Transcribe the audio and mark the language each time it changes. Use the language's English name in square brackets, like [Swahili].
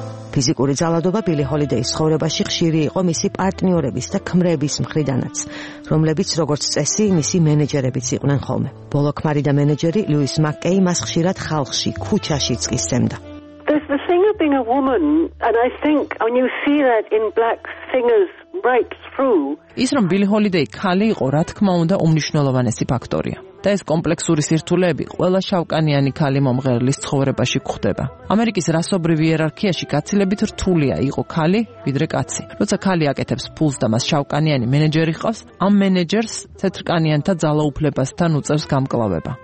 [Georgian] ფიზიკური ძალადობა ბილი ჰოლიდეის ცხოვრებაში ხშირი იყო მისი პარტნიორების და ქმრების მხრიდანაც, რომლებიც როგორც წესი მისი მენეჯერებიც იყვნენ ხოლმე. ბოლო ქმარი და მენეჯერი ლუის მაკეი მას ხშირად ხალხში, ქუჩაში წისემდა. [English] There's the thing of being a woman and I think when you see that in black singers right through. [Georgian] ის რომ ბილი ჰოლიდეი ქალი იყო, რა თქმა უნდა, უმნიშვნელოვანესი ფაქტორია. და ეს კომპლექსური სირთულეები ყველა შავკანიანი ქალი მომღერლის ცხოვრებაში გვხვდება. ამერიკის რასობრივი იერარქიაში გაცილებით რთულია იყო ქალი ვიდრე კაცი. როცა ქალი აკეთებს ფულს და მას შავკანიანი მენეჯერი ჰყავს, ამ მენეჯერს თეთრკანიანთა ძალაუფლებასთან უწევს გამკლავება.